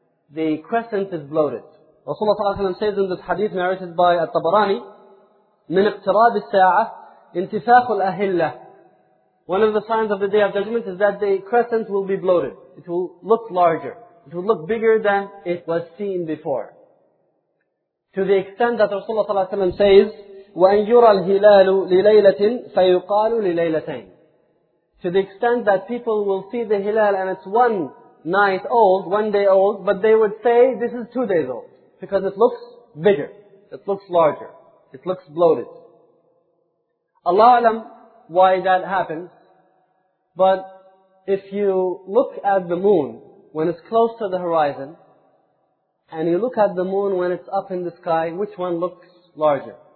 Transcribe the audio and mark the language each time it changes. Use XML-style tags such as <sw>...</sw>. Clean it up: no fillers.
<en>The crescent is bloated. Rasulullah ﷺ says in this hadith narrated by At-Tabarani,</en> <ar>"Min iqtirab as-sa'ah, intifaqul ahillah."</ar> <en>One of the signs of the Day of Judgment is that the crescent will be bloated. It will look larger. It will look bigger than it was seen before. To the extent that Rasulullah ﷺ says,</en> <ar>"وَأَنْ يُرَى الْهِلَالُ لِلَيْلَةٍ فَيُقَالُ لِلَيْلَتَيْنِ."</ar> <en>To the extent that people will see the hilal and it's one night old, one day old, but they would say this is 2 days old. Because it looks bigger. It looks larger. It looks bloated. Allah alam why that happens. But if you look at the moon when it's close to the horizon, and you look at the moon when it's up in the sky, which one looks larger?</en>